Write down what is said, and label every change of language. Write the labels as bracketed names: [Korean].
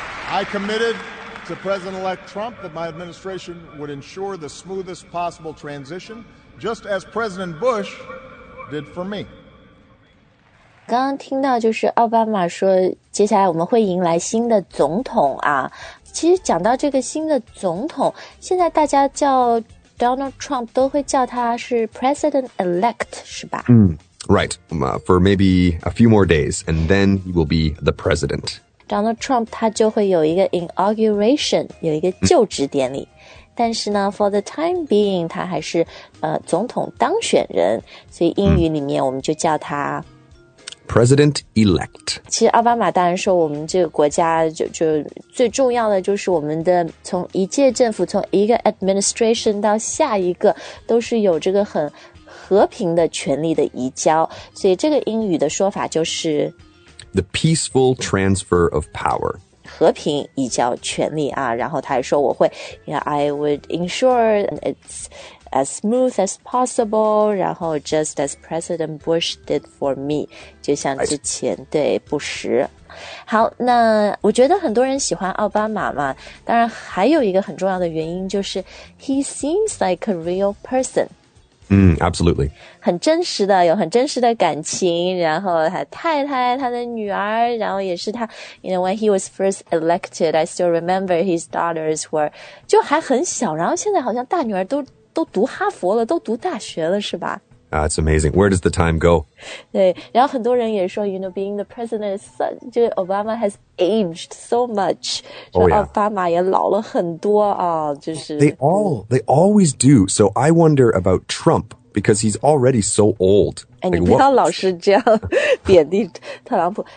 [English] I committed to President-elect Trump that my administration would ensure the smoothest possible transition, just as President Bush did for me. [Chinese] 刚刚听到就是奥巴马说接下来我们会迎来新的总统啊。其实讲到这个新的总统，现在大家叫 Donald Trump 都会叫他是 President-elect, 是吧？ [English] 嗯、right, for maybe a few more days, and then he will be the president. [Chinese] Donald Trump 他就会有一个 inauguration, 有一个就职典礼。但是呢 [English] for the time being, [Chinese] 他还是总统当选人。所以英语里面我们就叫他 [English] President-elect. [Chinese] 其实奥巴马当然说我们这个国家 就最重要的就是我们的从一届政府从一个 administration 到下一个都是有这个很和平的权力的移交。所以这个英语的说法就是 [English] The peaceful transfer of power. [Chinese] 和平移交权力啊，然后他还说我会 [English] you know, I would ensure it's as smooth as possible, [Chinese] 然后 [English] just as President Bush did for me. [Chinese] 就像之前、 [English] right. [Chinese] 对布什。好，那我觉得很多人喜欢奥巴马嘛，当然还有一个很重要的原因就是 [English] he seems like a real person. Absolutely. [Chinese] 很真实的，有很真实的感情，然后他太太，他的女儿，然后也是他 [English] you know, when he was first elected, I still remember his daughters were, [Chinese] 就还很小，然后现在好像大女儿都读哈佛了，都读大学了，是吧？ [English] That's amazing. Where does the time go? [Chinese] 对，然后很多人也说 [English] you know, being the president, Obama has aged so much. Oh, yeah. [Chinese] 奥巴马也老了很多啊、哦、就是。 [English] They always do. So I wonder about Trump, because he's already so old. [Chinese] 哎，你不要老是这样贬低特朗普。